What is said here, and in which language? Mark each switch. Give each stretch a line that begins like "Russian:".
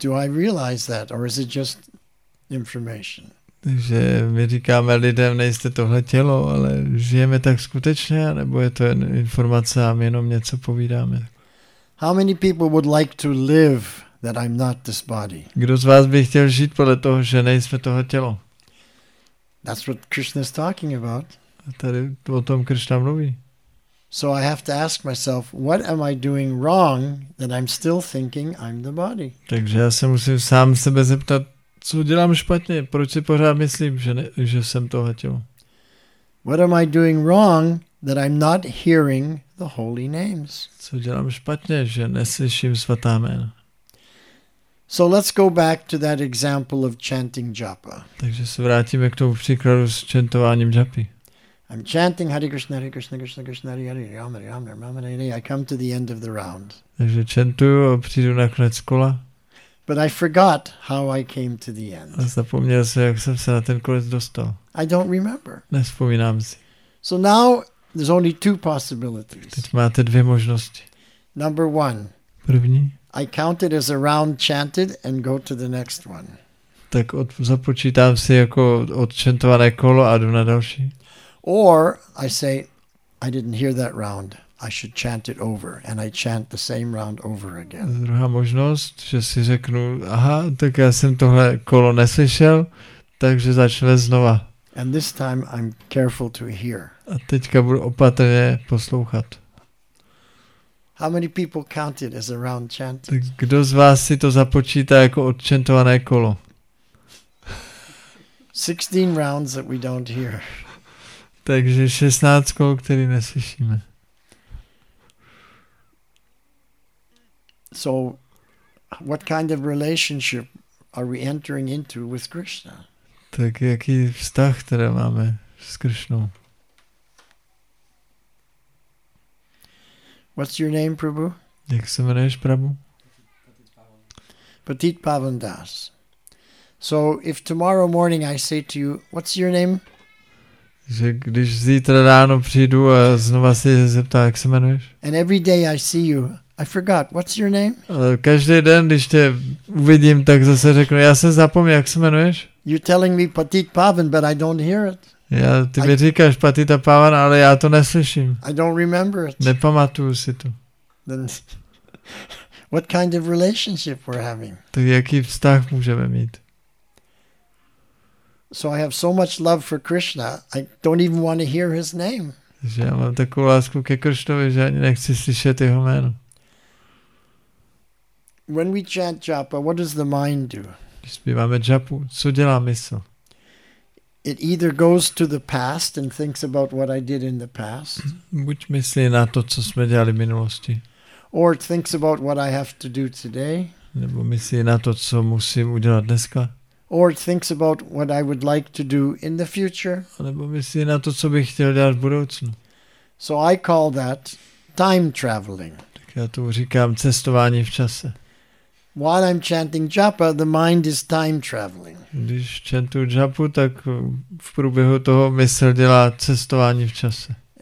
English: Do I realize that? Or is it just information?
Czech: Takže my říkáme lidem, nejste tohle tělo, ale žijeme tak skutečně, nebo je to jen informace a my jenom něco povídáme.
English: How many people would like to live that I'm not this body?
Czech: Kdo z vás by chtěl žít podle toho, že nejsme tohle tělo?
English: That's what Krishna's talking about.
Czech: A tady o tom Krishna mluví.
English: So I have to ask myself, what am I doing wrong that I'm still thinking I'm the body?
Czech: Takže já se musím sám sebe zeptat, co dělám špatně, proč si pořád myslím, že jsem tohle tělo?
English: What am I doing wrong that I'm not hearing the holy names?
Czech: Co dělám špatně, že neslyším svatá jména?
English: So let's go back to that example of chanting japa.
Czech: Takže se vrátíme k tomu příkladu s chantováním japy.
English: I'm chanting Hare Krishna, Hare Krishna, Krishna Krishna, Hare Hare, Rama Rama, Rama Rama. I come to the end of the round.
Czech: Takže chantuju a přijdu na konec kola.
English: But I forgot how I came to the end.
Czech: A zapomněl jsem, jak jsem se na ten konec dostal.
English: I don't remember.
Czech: Nespomínám si.
English: So now there's only two possibilities.
Czech: Teď máte dvě možnosti.
English: Number one.
Czech: První.
English: I count it as a round chanted and go to the next one.
Czech: Tak započítám si jako odčantované kolo a jdu na další.
English: Or I say I didn't hear that round. I should chant it over, and I chant the same round over again.
Czech: Druhá možnost, že si řeknu, aha, tak já jsem tohle kolo neslyšel, takže začneme znova.
English: And this time I'm careful to hear.
Czech: A teďka budu opatrně poslouchat.
English: How many people count it as a round chant?
Czech: Kdo z vás si to započítá jako odčentované kolo?
English: 16 rounds that we don't hear.
Czech: Takže 16 kol, který neslyšíme.
English: So what kind of relationship are we entering into with Krishna?
Czech: Tak jaký vztah teda máme s Krishnou?
English: What's your name, Prabhu?
Czech: Jak se jmenuješ, Prabhu? Patit Pavan Das.
English: So if tomorrow morning I say to you, what's your name?
Czech: Že když zítra ráno přijdu a znova si zeptá, jak se jmenuješ?
English: And every day I see you, I forgot, what's your name?
Czech: Každý den, když tě uvidím, tak zase řeknu, já se zapomněl, jak se jmenuješ?
English: You're telling me Patit Pavan, but I don't hear it.
Czech: Já, ty mi říkáš Patita Pavan, ale já to neslyším.
English: I don't remember it.
Czech: Nepamatuju si to.
English: Then, what kind of relationship we're having?
Czech: To jaký vztah můžeme mít?
English: So I have so much love for Krishna, I don't even want to hear his name.
Czech: Že já mám takovou lásku ke Krishnovi, že ani nechci slyšet jeho jméno.
English: When we chant japa, what does the mind do?
Czech: Když zpíváme japu, co dělá mysl?
English: It either goes to the past and thinks about what I did in the past.
Czech: Buď myslí na to, co jsme dělali v minulosti.
English: Or it thinks about what I have to do today.
Czech: Nebo myslí na to, co musím udělat dneska.
English: Or it thinks about what I would like to do in the future.
Czech: Nebo myslí na to, co bych chtěl dělat v budoucnu.
English: So I call that time traveling.
Czech: Tak já to říkám cestování v čase.
English: While I'm chanting japa, the mind is time traveling.
Czech: Když chantu japu, tak v průběhu toho mysl dělá cestování v čase.